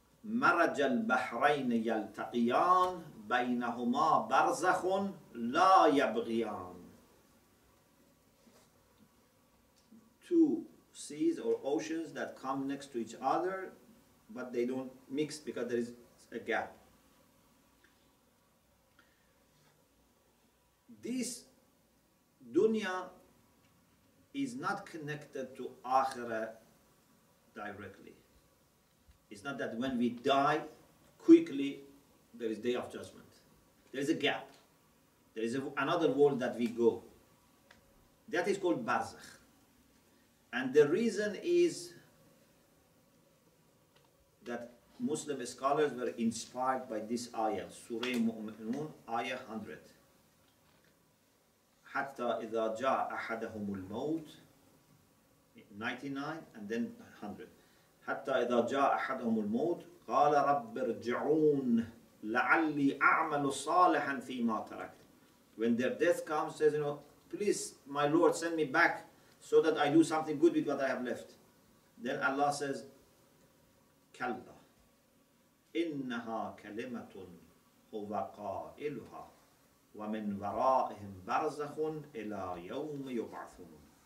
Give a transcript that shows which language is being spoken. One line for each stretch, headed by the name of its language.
Arabic: مرج البحرين يلتقيان بينهما برزخ لا يبغيان.
English: Two seas or oceans that come next to each other, but they don't mix because there is a gap. This dunya is not connected to akhirah directly. It's not that when we die quickly, there is day of judgment. There is a gap. There is another world that we go. That is called barzakh. And the reason is that Muslim scholars were inspired by this ayah, Surah Mu'minun, ayah 100.
Arabic: Hatta idha ja'a ahadahumul maut,
English: 99 and then 100.
Arabic: حتى إذا جاء أحدهم الموت قال رب ارجعون لعلي أعمل صالحا فيما تركت.
English: When their death comes, says, you know, please, my Lord, send me back so that I do something good with what I have left. Then Allah says,
Arabic: كلا إنها كلمة هو قائلها ومن ورائهم برزخ إلى يوم يبعثون.